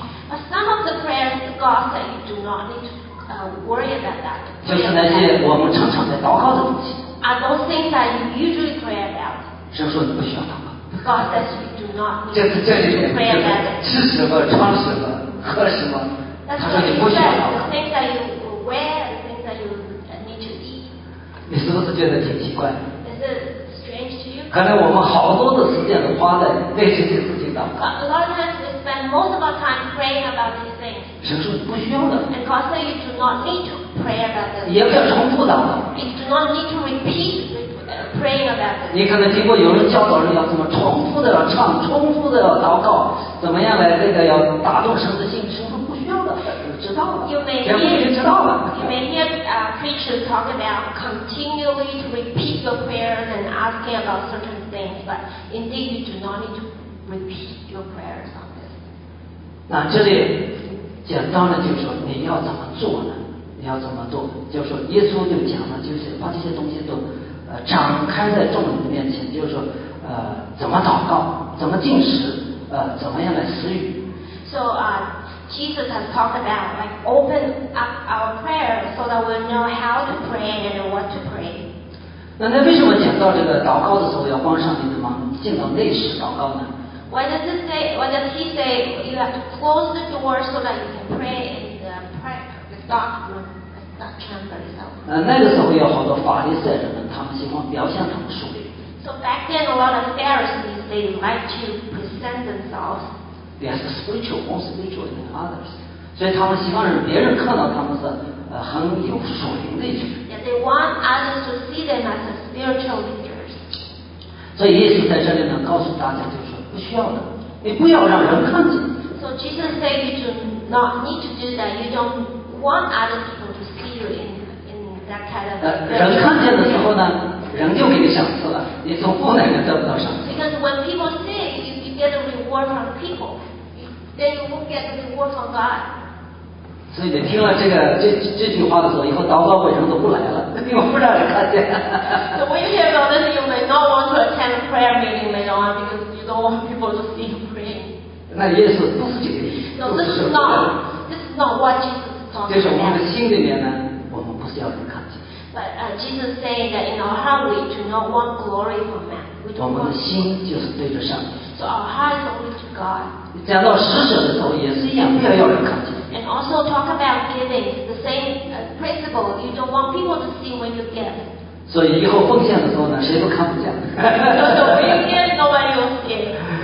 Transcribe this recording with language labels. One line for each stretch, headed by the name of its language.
English: But some of the prayers God said you do not need to worry about that.
Chinese: 就是那些我们常常在祷告的东西。
English: Are those things that you usually pray about?
Chinese: 神说你不需要祷告。
English: God says you do not need to pray about it.
Chinese: 吃什么穿什么喝什么，他说你不需要祷告。
English: Where things that you need to eat.
Chinese: 你是不是觉得挺奇怪？
English: Is it strange to you?
Chinese: 可能我们好多的时间都花在为这些事情祷告。
English: A lot of times we spend most of our time praying about these things.
Chinese: 神说你不需要的。
English: And God said you do not need to pray about this.
Chinese: 也不要重复祷告。
English: You do not need to repeat praying about this.
Chinese: 你可能经过有人教导人要怎么重复的要唱，重复的要祷告，怎么样来这个要打动神的心，神说不需要的。
English: You may hear preachers talk about continually to repeat your prayers and asking about certain things, but indeed you do not need to repeat your prayers on this.
Chinese: 那这里简单的就是说你要怎么做呢？你要怎么做？就是说耶稣就讲了，就是把这些东西都展开在众人的面前，就是说怎么祷告，怎么进食，怎么样来施予。
English: So, Jesus has talked about like open up our prayer so that we know how to pray and what to pray.
Chinese: 那为什么讲到这个祷告的时候要关上你的门，进到内室祷告呢？
English: Why does he say you have to close the door so that you can pray in the dark room, dark chamber itself?
Chinese: 那个时候有好多法利赛人们，他们喜欢表现他们属灵。
English: So back then, a lot of Pharisees they like to present themselves. Yes, spiritual, more spiritual than others.
Chinese: 所以他们希望让别人看到他们是很有属灵的一群。
English: Yeah, they want others to see them as spiritual leaders.
Chinese: 所以耶稣在这里呢告诉大家，就是不需要的，你不要让人看见。
English: So Jesus said you do not need to do that. You don't want other people to see you in that kind of.
Chinese: 人看见的时候呢，人就给你赏赐了，你从父那里得不到赏赐。
English: Because when people see you, you get a reward from people. Then you will get a reward from God.
Chinese: 所以你听了这句话的时候，以后祷告会人都不来了，因为不让人看见。
English: So when you hear about this, you may not want to attend a prayer meeting later on because you don't want people to see you praying.
Chinese: 那耶稣不是这个意思。
English: No, this is not what Jesus is talking about.
Chinese: 就是我们的心里面呢，我们不是要人看见。
English: But Jesus saying that in our heart we do not want glory from man. We don't want.
Chinese: 我们的心就是对着上帝。
English: So our heart is only to God.
Chinese: 讲到施舍的时候也是一样，不要要人看见。
English: And also talk about giving, the same principle. You don't want people to see when you give.
Chinese: 所以以后奉献的时候呢，谁都看不见。
English: So when you give, nobody will see.